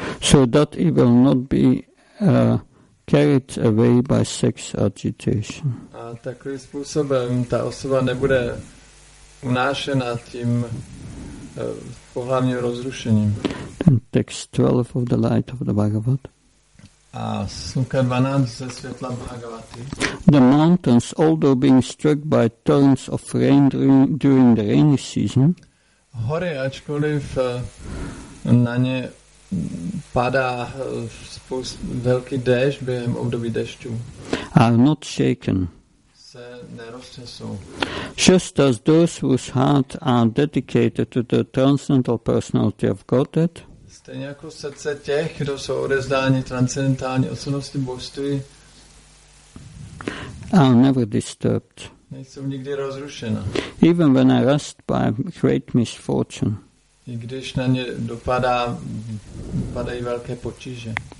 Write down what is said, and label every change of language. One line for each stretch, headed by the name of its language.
English: so that he will not be carried away by sex agitation.
Czech: A takovým způsobem ta osoba nebude unášena tím pohlavním rozrušením.
English: Text 12 of the light of the Bhagavad.
Czech: A sluka 12 ze světla Bhagavaty.
English: The mountains, although being struck by torrents of rain during the rainy season,
Czech: hory, ačkoliv na ně padá velký déšť během období dešťů,
English: are not shaken.
Czech: Se neroztřesou.
English: Just as those whose hearts are dedicated to the transcendental personality of Godhead,
Czech: stejně jako srdce těch, kdo jsou odezdáni transcendentální osobnosti božství,
English: are never disturbed.
Czech: Nejsou nikdy rozrušena.
English: Even when harassed by great misfortune.
Czech: I když na ně dopadají velké potíže.